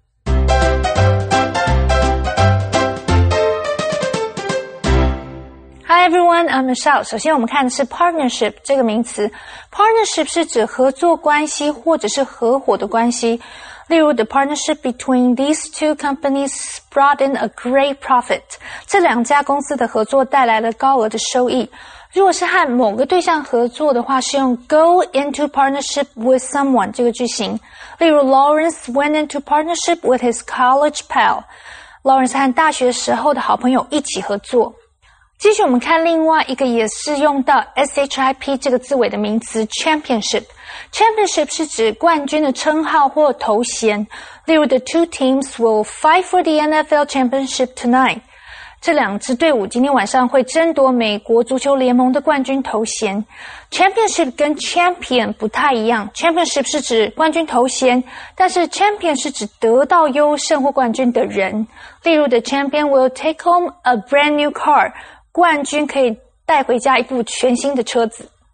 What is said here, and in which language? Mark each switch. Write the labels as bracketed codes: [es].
[en] Hi, everyone, I'm Michelle. [zh] 首先我们看的是 partnership 这个名词。 Partnership 是指合作关系或者是合伙的关系。例如 [en] the partnership between these two companies brought in a great profit. [zh] 这两家公司的合作带来了高额的收益。如果是和某个对象合作的话是用 [en] go into partnership with someone [zh] 这个句型。例如 [en] Lawrence went into partnership with his college pal. [zh] Lawrence 和大学时候的好朋友一起合作。继续我们看另外一个也是用到 SHIP 这个字尾的名词 championship。 Championship 是指冠军的称号或头衔。例如 [en] the two teams will fight for the NFL championship tonight. [zh] 这两支队伍今天晚上会争夺美国足球联盟的冠军头衔。 Championship 跟 champion 不太一样。Championship 是指冠军头衔，但是 champion 是指得到优胜或冠军的人。例如 [en] the champion will take home a brand new car. [zh] 冠军可以带回家一部全新的车子。